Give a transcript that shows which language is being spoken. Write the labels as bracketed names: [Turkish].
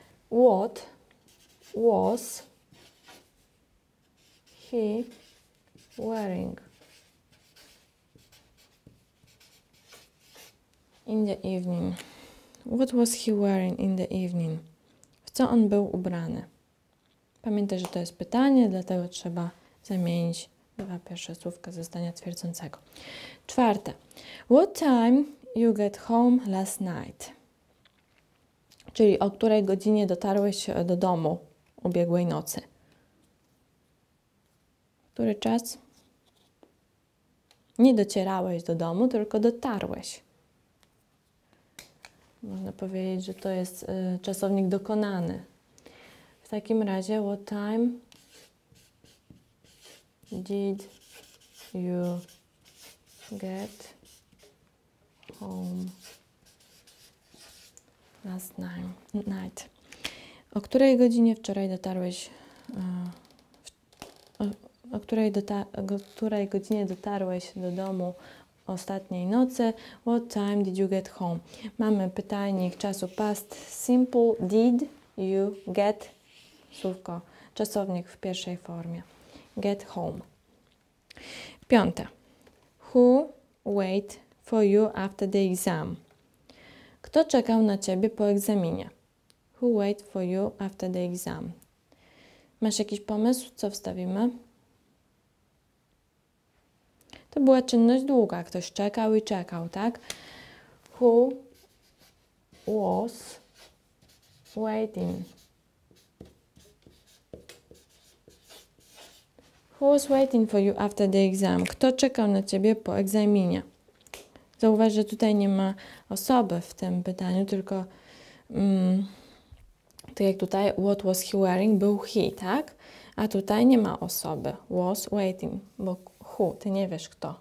[English] What was he wearing in the evening? What was he wearing in the evening? [Polish] W co on był ubrany? Pamiętaj, że to jest pytanie, dlatego trzeba zamienić dwa pierwsze słówka ze zdania twierdzącego. Czwarte. [English] What time you get home last night? [Polish] Czyli o której godzinie dotarłeś do domu ubiegłej nocy? Który czas? Nie docierałeś do domu, tylko dotarłeś. Można powiedzieć, że to jest czasownik dokonany. W takim razie, [English] what time did you get home? Last night. [Polish] O której godzinie wczoraj dotarłeś? O której godzinie dotarłeś do domu ostatniej nocy. [English] What time did you get home? [Polish] Mamy pytajnik czasu past simple. [English] Did you get, [Polish] słówko, czasownik w pierwszej formie. [English] Get home. [Polish] Piąte. [English] Who wait for you after the exam? [Polish] Kto czekał na ciebie po egzaminie? [English] Who wait for you after the exam? [Polish] Masz jakiś pomysł, co wstawimy? To była czynność długa. Ktoś czekał i czekał, tak? [English] Who was waiting? Who was waiting for you after the exam? [Polish] Kto czekał na ciebie po egzaminie? Zauważ, że tutaj nie ma osoby w tym pytaniu, tylko tak jak tutaj, [English] what was he wearing? [Polish] Był he, tak? A tutaj nie ma osoby. [English] Was waiting, [Polish] bo who, ty nie wiesz kto.